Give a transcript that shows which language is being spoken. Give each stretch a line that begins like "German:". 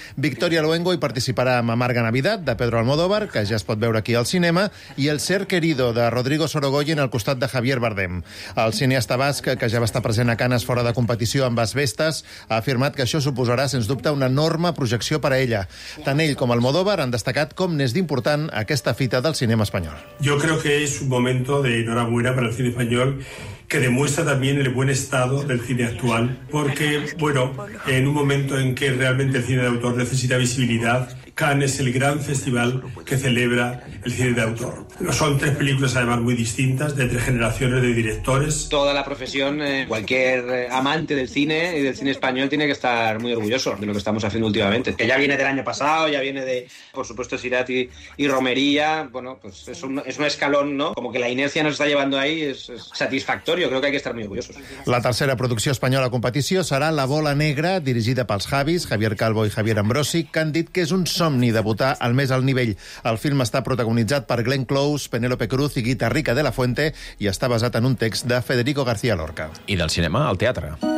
Catalan: Victoria Luengo hi participarà amb Amarga Navidad, de Pedro Almodóvar, que ja es pot veure aquí al cinema, i El ser querido, de Rodrigo Sorogoyen, al costat de Javier Bardem. El cineasta basc, que ja va estar present a Canes fora de competició amb Asbestas, ha afirmat que això suposarà, sens dubte, una enorme projecció per a ella. Tant ell com Almodóvar han destacat com n'és d'important aquesta fita del cinema espanyol.
Spanish: Yo creo que es un momento de enhorabuena para el cine español, que demuestra también el buen estado del cine actual, porque, bueno, en un momento en que realmente el cine de autor necesita visibilidad, Cannes es el gran festival que celebra el cine de autor. Son 3 películas, además, muy distintas, de 3 generaciones de directores. Toda la profesión, cualquier amante del cine y del cine español tiene que estar muy orgulloso de lo que estamos haciendo últimamente. Que ya viene del año pasado, ya viene de, por supuesto, Sirati y Romería. Bueno, pues es un escalón, ¿no? Como que la inercia nos está llevando ahí, es satisfactorio. Creo que hay que estar muy orgullosos.
Catalan: La tercera producció espanyola a competició serà La bola negra, dirigida pels Javis, Javier Calvo i Javier Ambrosi, que han dit que és un somni debutar al més alt nivell. El film està protagonitzat per Glenn Close, Penélope Cruz i Guita Rica de la Fuente i està basat en un text de Federico García Lorca. I del cinema al teatre.